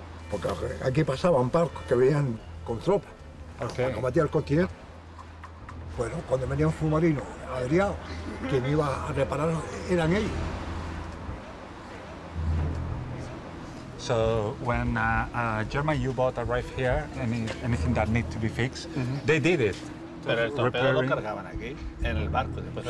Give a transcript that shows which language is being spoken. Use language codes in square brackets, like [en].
[es] Porque aquí pasaban barcos que venían con tropas. [en] Okay. [es] A combatir el continente. Bueno, cuando venían submarinos averiados, quien iba a reparar eran ellos. [en] So when a German U-boat arrived here, anything that needed to be fixed, mm-hmm. they did it. [es] Pero el torpedo repairing. Lo cargaban aquí, en el barco, después lo